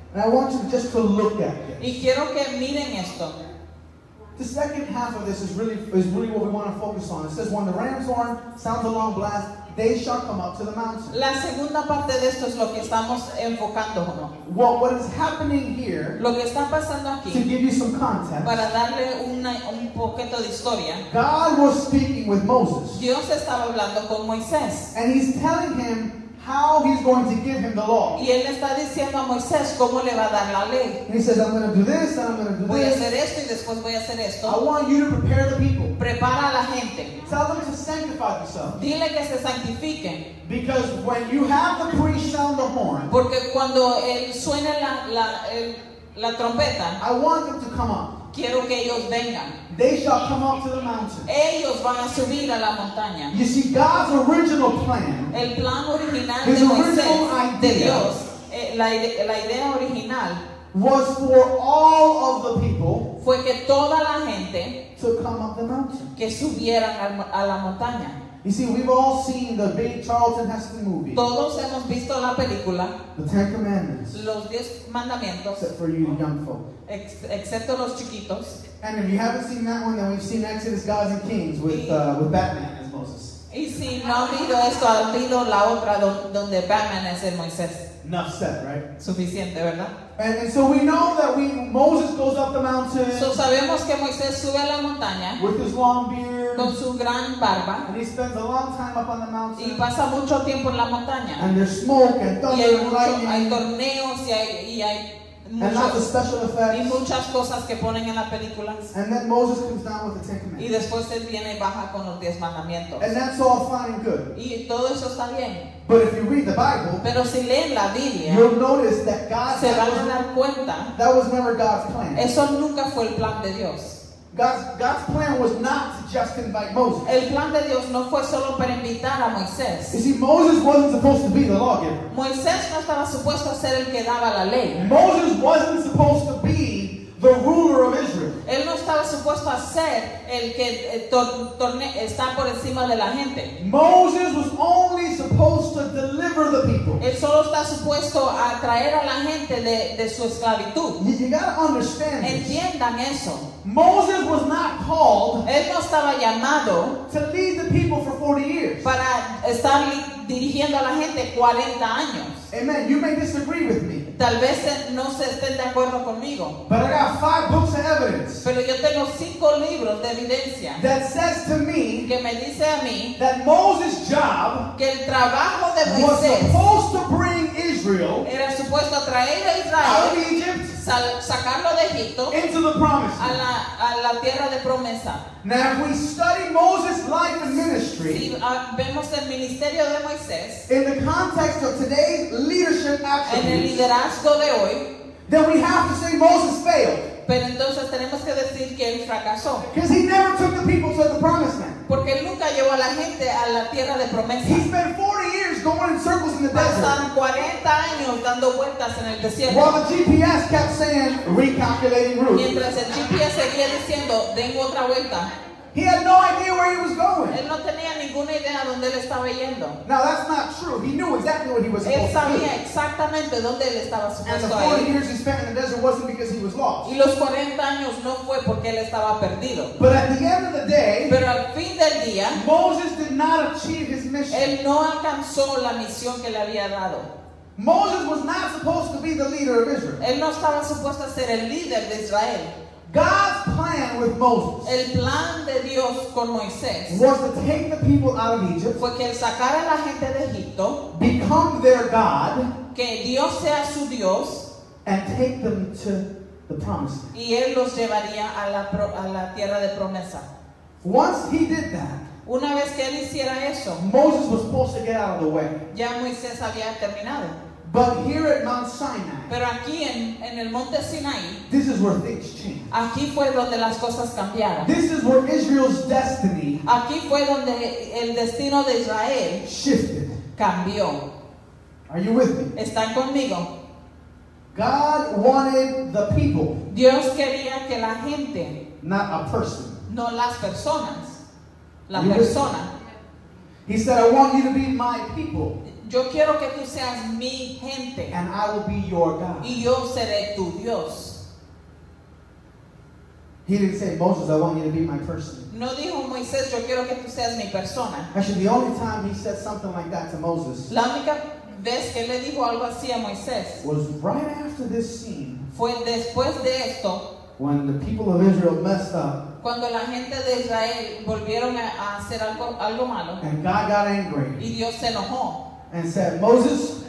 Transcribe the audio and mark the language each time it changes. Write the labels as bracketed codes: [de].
[en] And I want you just to look at this. [es] Y quiero que miren esto. [en] The second half of this is really what we want to focus on. It says, when the ram's horn sounds a long blast, they shall come up to the mountain. [es] La segunda parte de esto es lo que estamos enfocando, ¿no? [en] Well, what is happening here, [es] lo que está pasando aquí, [en] to give you some context, [es] para darle un poquito de historia, [en] God was speaking with Moses. [es] Dios estaba hablando con Moisés. [en] And he's telling him how he's going to give him the law. [es] Y él está diciendo a Moisés cómo le va a dar la ley. [en] And he says, I'm going to do this, and I'm going to do [es] this. Voy a hacer esto, y después voy a hacer esto. [en] I want you to prepare the people. [es] Prepara a la gente. [en] Tell them to sanctify themselves. [es] Dile que se santifiquen. [en] Because when you have the priest sound the horn, [es] porque cuando él suene la trompeta, [en] I want them to come up. [es] Quiero que ellos vengan. [en] They shall come up to the mountain. [es] Ellos van a subir a la montaña. [en] You see, God's original plan, [es] el plan original, [en] his [es] de [en] original [es] Moisés, de Dios, la idea original, [en] was for all of the people, [es] fue que toda la gente, [en] to come up the mountain, [es] que subieran a la montaña. [en] You see, we've all seen the big Charlton Heston movie. [es] Todos hemos visto la película. [en] The Ten Commandments. [es] Los diez mandamientos. [en] Except for you young folk. [es] Excepto los chiquitos. [en] And if you haven't seen that one, then we've seen Exodus, Gods and Kings with Batman as Moses. [es] Y si no ha visto esto, ha visto la otra donde Batman es el Moisés. [en] Enough said, right? [es] Suficiente, ¿verdad? [en] And so we know that Moses goes up the mountain. [es] So sabemos que Moisés sube a la montaña. [en] With his long beard. [es] Con su gran barba. [en] And he spends a long time up on the mountain. [es] Y pasa mucho tiempo en la montaña. [en] And there's smoke and thunder and lightning. [es] Hay torneos y hay [en] and lots of special effects. [es] Y muchas cosas que ponen en las películas. [en] And then Moses comes down with the Ten Commandments. [es] Y después él viene y baja con los diez mandamientos. [en] And that's all fine and good. [es] Y todo eso está bien. [en] But if you read the Bible, [es] pero si leen la Biblia, [en] you'll notice that God, [es] se van a dar cuenta, [en] that was never God's plan. [es] Eso nunca fue el plan de Dios. [en] God's plan was not to just invite Moses. [es] El plan de Dios no fue solo para invitar a Moisés. [en] You see, Moses wasn't supposed to be the lawgiver. [es] Moisés no estaba supuesto a ser el que daba la ley. [en] Moses wasn't supposed to be the ruler of Israel. [es] Él no estaba supuesto a ser el que está por encima de la gente. [en] Moses was only supposed to deliver the people. [es] Él solo está supuesto a traer a la gente de su esclavitud. [en] You gotta understand. [es] Entiendan eso. [en] Moses was not called. [es] Él no estaba llamado [en] to lead the people for 40 years. [es] Para estar dirigiendo a la gente 40 años. [en] Amen. You may disagree with me. [es] Tal vez no se estén de acuerdo conmigo. [en] But I got 5 books of evidence. [es] Pero yo tengo 5 libros de evidencia. [en] That says to me, [es] que me dice a mí, [en] that Moses' job, [es] que el trabajo de Moisés, [en] was supposed to bring Israel, [es] era supuesto traer a Israel, [en] out of Egypt, [es] sacarlo de Egipto, [en] into the promised [es] land, a la tierra de promesa. [en] Now if we study Moses' life and ministry, [es] vemos el ministerio de Moisés, [en] in the context of today's leadership attributes, [es] en el liderazgo de hoy, [en] then we have to say Moses failed. [es] Pero entonces tenemos que decir que él fracasó. [en] Because he never took the people to the promised land. [es] Porque él nunca llevó a la gente a la tierra de promesa. [en] He spent 40 years going in circles in the desert. [es] Pasaron 40 años dando vueltas en el desierto. [en] While the GPS kept saying, recalculating route. [es] Mientras el GPS seguía diciendo, den otra vuelta. [en] He had no idea where he was going. [es] Él no tenía ninguna idea dónde él estaba yendo. [en] Now that's not true. He knew exactly what he was supposed to do. [es] Él sabía exactamente dónde él estaba supuesto a ir. [en] And the 40 years he spent in the desert wasn't because he was lost. [es] Y los 40 años no fue porque él estaba perdido. [en] But at the end of the day, [es] pero al fin del día, [en] Moses did not achieve his mission. [es] Él no alcanzó la misión que le había dado. [en] Moses was not supposed to be the leader of Israel. [es] Él no estaba supuesto a ser el líder de Israel. [en] God's plan with Moses, [es] el plan de Dios con Moisés, [en] was to take the people out of Egypt, [es] fue que él sacara a la gente de Egipto, [en] become their God, [es] que Dios sea su Dios, [en] and take them to the promised land. [es] Y él los llevaría a la tierra de promesa. [en] Once he did that, [es] una vez que él hiciera eso, [en] Moses was supposed to get out of the way. [es] Ya Moisés había terminado. [en] But here at Mount Sinai, [es] pero aquí en el Monte Sinai, [en] this is where things changed. [es] Aquí fue donde las cosas cambiaron. [en] This is where Israel's destiny, [es] aquí fue donde el destino de Israel, [en] shifted. [es] Cambió. [en] Are you with me? [es] ¿Están conmigo? [en] God wanted the people. [es] Dios quería que la gente. [en] Not a person. [es] No las personas. La persona. [en] He said, I want you to be my people. [es] Yo quiero que tú seas mi gente. [en] And I will be your God. [es] Y yo seré tu Dios. [en] He didn't say, Moses, I want you to be my person. [es] No dijo Moisés, yo quiero que tú seas mi persona. [en] Actually, the only time he said something like that to Moses, [es] la única vez que le dijo algo así a Moisés, [en] was right after this scene, [es] fue después de esto, [en] when the people of Israel messed up, [es] cuando la gente de Israel volvieron a hacer algo malo, [en] and God got angry, [es] y Dios se enojó, [en] and said, Moses,